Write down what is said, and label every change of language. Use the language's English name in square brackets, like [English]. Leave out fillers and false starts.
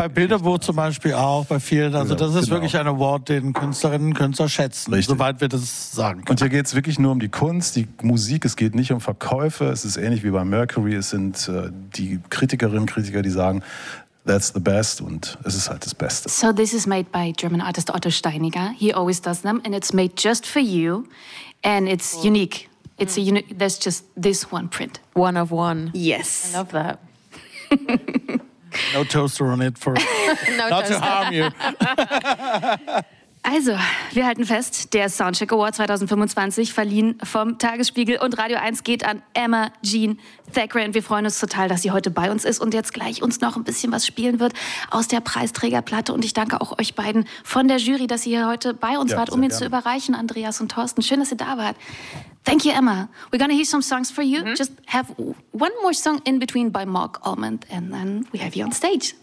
[German] Bei Bilderbuch zum Beispiel auch, bei vielen. Also das ist wirklich ein Award, den Künstlerinnen und Künstler schätzen, soweit wir das sagen können. Hier geht es wirklich nur um die Kunst, die Musik. Es geht nicht um Verkäufe. Es ist ähnlich wie bei Mercury. Es sind die Kritikerinnen und Kritiker, die sagen, [English] That's the best, [German] und es ist halt das Beste. [English] So this is made by German artist Otto Steiniger. He always does them, and it's made just for you, and it's unique. It's a unique. There's just this one print. One of one. Yes. I love that. No toaster on it for no not toaster. To harm you. [German] Also, wir halten fest, der Soundcheck Award 2025, verliehen vom Tagesspiegel und Radio 1, geht an Emma Jean Thackeray. Und wir freuen uns total, dass sie heute bei uns ist und jetzt gleich uns noch ein bisschen was spielen wird aus der Preisträgerplatte. Und ich danke auch euch beiden von der Jury, dass ihr heute bei uns wart, um ihn zu überreichen, Andreas und Thorsten. Schön, dass ihr da wart. [English] Thank you, Emma. We're gonna hear some songs for you. Mm-hmm. Just have one more song in between by Mark Almond and then we have you on stage.